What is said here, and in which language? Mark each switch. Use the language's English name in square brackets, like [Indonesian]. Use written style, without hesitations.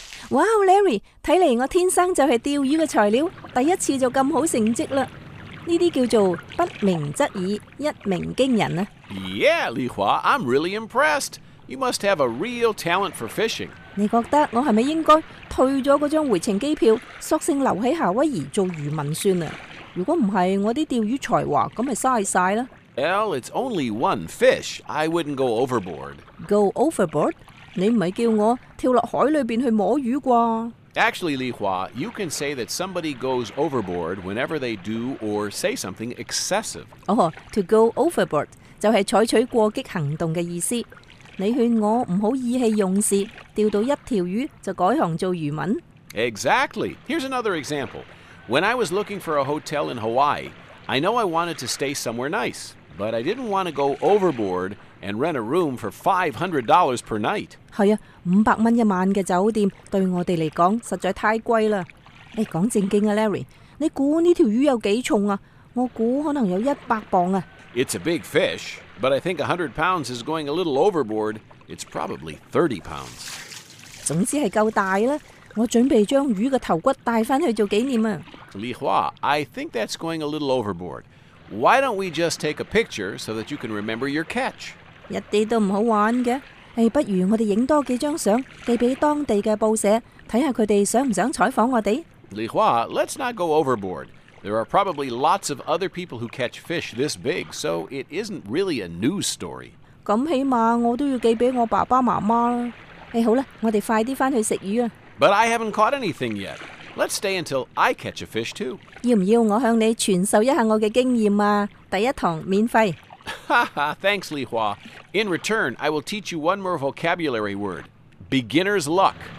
[Cantonese] 哇、wow, ，Larry， 睇嚟我天生就系钓鱼嘅材料，第一次就咁好成绩啦。呢啲叫做不鸣则已，一鸣惊人啊。 [English] Yeah, Li Hua, I'm really impressed. You must have a real talent for fishing. [Cantonese] 你觉得我系咪应该退咗嗰张回程机票，索性留喺夏威夷做渔民算啊？如果唔系，我啲钓鱼才华咁咪嘥晒啦。 [English] Well, it's only one fish. I wouldn't go overboard. [Cantonese] Go overboard? 你唔系叫我跳落海里边去摸鱼啩 [English] ？Actually, Li Hua, you can say that somebody goes overboard whenever they do or say something excessive. [Cantonese] Oh, to go overboard 就系采取过激行动嘅意思。你劝我唔好意气用事，钓到一条鱼就改行做渔民。 [English] Exactly. Here's another example. When I was looking for a hotel in Hawaii, I know I wanted to stay somewhere nice, but I didn't want to go overboard. And rent a room for $500 per night. [Cantonese] 系啊，$500一晚嘅酒店对我哋嚟讲实在太贵啦。你讲正经啊 ，Larry， 你估呢条鱼有几重啊？我估可能有100磅啊。 [English] It's a big fish, but I think 100 pounds is going a little overboard. It's probably 30 pounds. [Cantonese] 总之系够大啦。我准备将鱼嘅头骨带翻去做纪念啊。 [English] Li Hua, I think that's going a little overboard. Why don't we just take a picture so that you can remember your catch? [Cantonese] 一啲都唔好玩嘅，诶，不如我哋影多几张相，寄俾当地嘅报社，睇下佢哋想唔想采访我哋。 [English] Li Hua, let's not go overboard. There are probably lots of other people who catch fish this big, so it isn't really a news story. [Cantonese] 咁起码我都要寄俾我爸爸妈妈啦。诶，好啦，我哋快啲翻去食鱼啊。 [English] But I haven't caught anything yet. Let's stay until I catch a fish too. [Cantonese] 要唔要我向你传授一下我嘅经验啊？第一堂免费。 [English] Thanks, Li Hua. In return, I will teach you one more vocabulary word: beginner's luck.